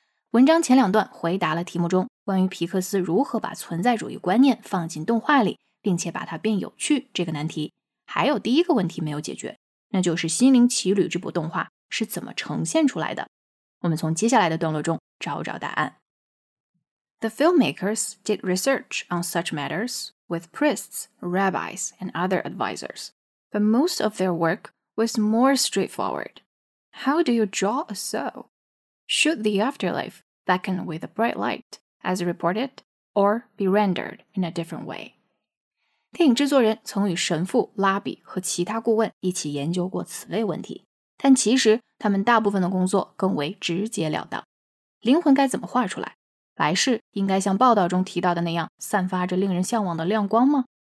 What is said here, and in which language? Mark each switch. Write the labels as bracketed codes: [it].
[zh] 文章前两段回答了题目中关于皮克斯如何把存在主义观念放进动画里并且把它变有趣这个难题，还有第一个问题没有解决，那就是《心灵奇旅》这部动画是怎么呈现出来的。我们从接下来的段落中找找答案。 [en] The filmmakers did research on such matters with priests, rabbis, and other advisors, but most of their work was more straightforward. How do you draw a soul? Should the afterlife beckon with a bright light, as reported, or be rendered in a different way? [zh] 电影制作人曾与神父、拉比和其他顾问一起研究过此类问题，但其实他们大部分的工作更为直截了当。灵魂该怎么画出来？来世应该像报道中提到的那样散发着令人向往的亮光吗？